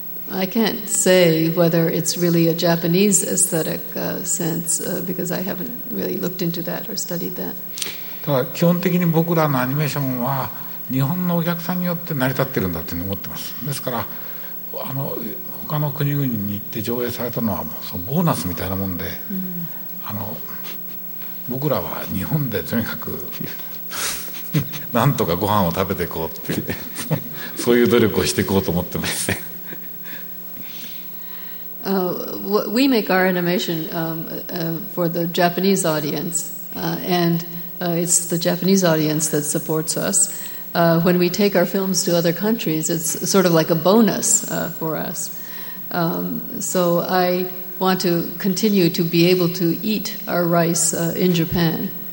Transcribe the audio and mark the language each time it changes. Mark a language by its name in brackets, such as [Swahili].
[English] I can't say whether it's really a Japanese aesthetic sense because I haven't really looked into that or studied that. [Japanese] ただ基本的に僕らのアニメーションは 日本のお客さんによって成り立ってるんだって思ってます。ですから、他の国々に行って上映されたのはもうボーナスみたいなもんで、僕らは日本でとにかくなんとかご飯を食べていこうって、そういう努力をしていこうと思ってます。 [English] We make our animation for the Japanese audience, and it's the Japanese audience that supports us. When we take our films to other countries, it's sort of like a bonus for us. So I want to continue to be able to eat our rice in Japan.